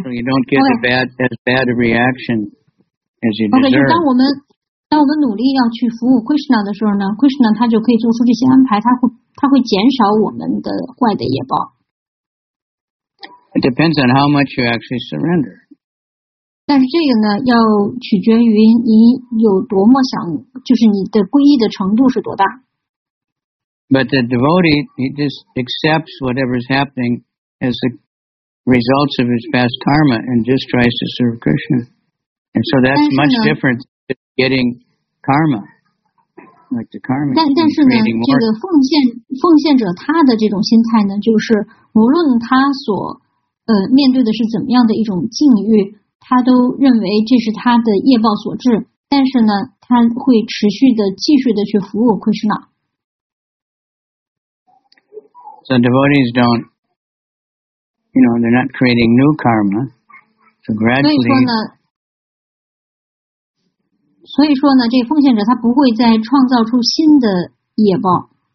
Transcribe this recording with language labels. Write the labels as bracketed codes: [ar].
[en] So you don't get as bad a reaction as you deserve. [zh] Okay, 当我们努力要去服务 Krishna 的时候呢 ，Krishna 他就可以做出这些安排，他会减少我们的坏的业报。 [en] It depends on how much you actually surrender. [zh] 但是这个呢，要取决于你有多么想，就是你的皈依的程度是多大。 [en] But the devotee he just accepts whatever is happening as the results of his past karma and just tries to serve Krishna, and so that's much different. Getting karma, like the karma. [zh] 但是呢，这个奉献者他的这种心态呢，就是无论他所面对的是怎么样的一种境遇，他都认为这是他的业报所致。但是呢，他会持续的继续的去服务 Krishna. [en] So devotees don't, you know, they're not creating new karma. So gradually. [zh] 所以说呢，这奉献者他不会再创造出新的业报。